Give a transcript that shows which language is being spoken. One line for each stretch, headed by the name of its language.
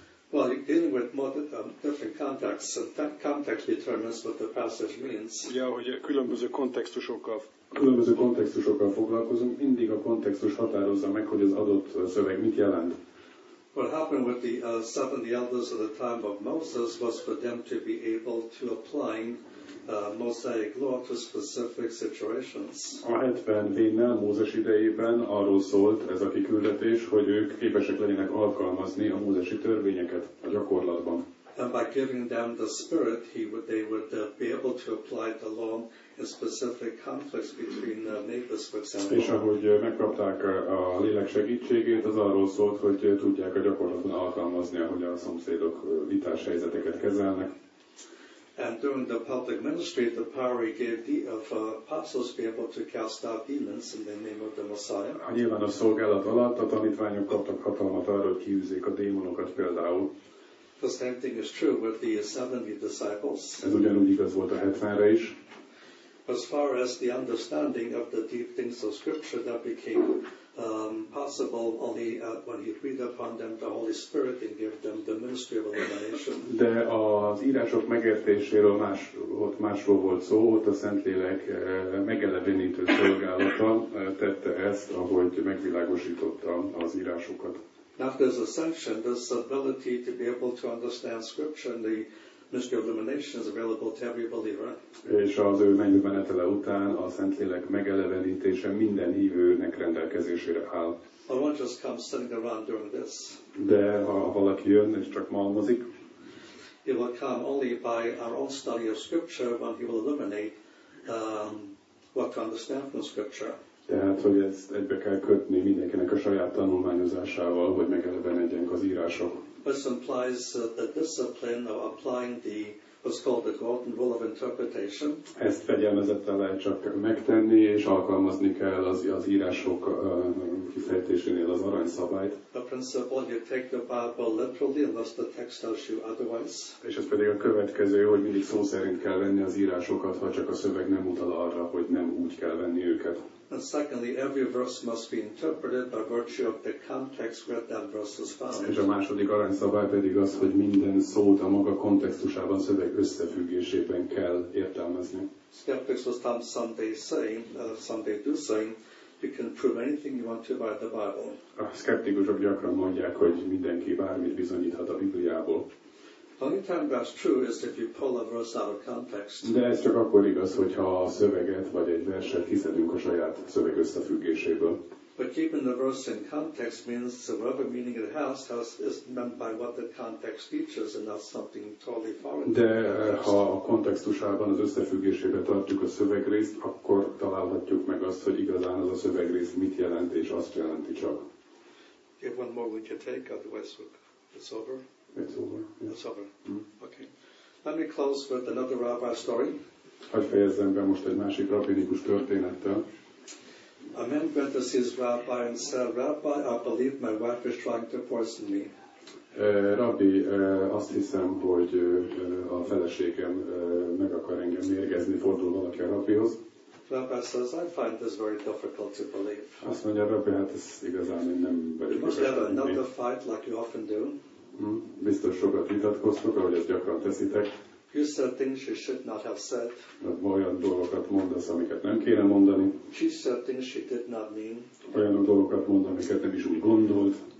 English: Well, you're dealing with more different contexts, so that context determines what the passage means.
Hungarian: Ja, hogy különböző kontextusokkal foglalkozunk, mindig a kontextus határozza meg, hogy az adott szöveg mit jelent.
English: What happened with the 70 elders of the time of Moses was for them to be able to apply Mosaic law to specific situations.
Hungarian: A 70 vénnel Mózes idejében arról szólt ez a kiküldetés, hogy ők képesek legyenek alkalmazni a mózesi törvényeket a gyakorlatban.
English: And by giving them the spirit, they would be able to apply the law in specific conflicts between neighbors, for example.
Hungarian: És ahogy megkapták a lélek segítségét, az arról szólt, hogy tudják a gyakorlatban alkalmazni, ahogy a szomszédok vitás helyzeteket kezelnek.
English: And during the public ministry, the power he gave the apostles to be able to cast out demons in the name of the Messiah.
Hungarian: A nyilván a szolgálat alatt a tanítványok kaptak hatalmat arra, hogy kiűzzék a démonokat például.
English: The same thing is true with the 70 disciples.
Hungarian: Ez ugyanúgy igaz volt a 70-re is.
English: As far as the understanding of the deep things of scripture, that became possible only when he breathed upon them the Holy Spirit and gave them the ministry of illumination.
Hungarian: De az írások megértéséről másról volt szó, ott a Szentlélek megelevenítő szolgálata tette ezt, ahogy megvilágosította az írásokat.
English: After his ascension, this ability to be able to understand scripture and the ministry of illumination is available to every believer.
Hungarian: És az ő mennyi menetele után a Szentlélek megelevenítése minden hívőnek rendelkezésére áll.
English: Or one just comes sitting around during this.
Hungarian: De ha valaki jön és csak malmozik,
English: it will come only by our own study of scripture when he will illuminate what to understand from scripture.
Hungarian: Tehát, hogy ezt egybe kell kötni mindenkinek a saját tanulmányozásával, hogy megelevenedjenek az írások.
English: This implies the discipline of applying the what's called the golden rule of interpretation.
Hungarian: Ezt fegyelmezetten lehet csak megtenni, és alkalmazni kell az írások kifejtésénél az aranyszabályt.
English: The principle you take the Bible literally unless the text tells you otherwise.
Hungarian: És ez pedig a következő, hogy mindig szó szerint kell venni az írásokat, ha csak a szöveg nem utal arra, hogy nem úgy kell venni őket.
English: And secondly, every verse must be interpreted by virtue of the context where that verse is found.
Hungarian: És a második aranyszabály pedig az, hogy minden szót a maga kontextusában, szöveg összefüggésében kell értelmezni.
English: Skeptics will someday say, you can prove anything you want to by the Bible.
Hungarian: A szkeptikusok gyakran mondják, hogy mindenki bármit bizonyíthat a Bibliából.
English: The only time that's true is if you pull a verse out of context.
Hungarian: De ez csak akkor igaz, hogyha a szöveget vagy egy verset kiszedünk a saját szöveg összefüggéséből.
English: But keeping the verse in context means whatever meaning it has is meant by what the context teaches and not something totally foreign.
Hungarian: De ha a kontextusában, az összefüggésében tartjuk a szövegrészt, akkor találhatjuk meg azt, hogy igazán az a szövegrész mit jelent és azt jelenti csak.
English: If one more would you take, otherwise it's over. It's over. Mm-hmm. Okay. Let me close with another rabbi story.
Hungarian: Hogy fejezzem be most egy másik rabbinikus történettel.
English: a man went to see his rabbi and said, Rabbi, I believe my wife is trying to poison me.
Hungarian: Rabbi, azt hiszem, hogy a feleségem meg akar engem mérgezni, fordul valaki a rabbihoz.
English: Rabbi says, I find this very difficult to believe.
Hungarian: Azt mondja, Rabbi, hát ez igazán én nem vagyok képes tenni.
English: You must have another fight like you often do.
Hungarian: Biztos sokat vitatkoztok, ahogy ezt gyakran teszitek.
English: You said things you should not have said.
Hungarian: Olyan dolgokat mondasz, amiket nem kéne mondani.
English: She said things she did not mean.
Hungarian: Olyan dolgokat mond, amiket nem is úgy gondolt.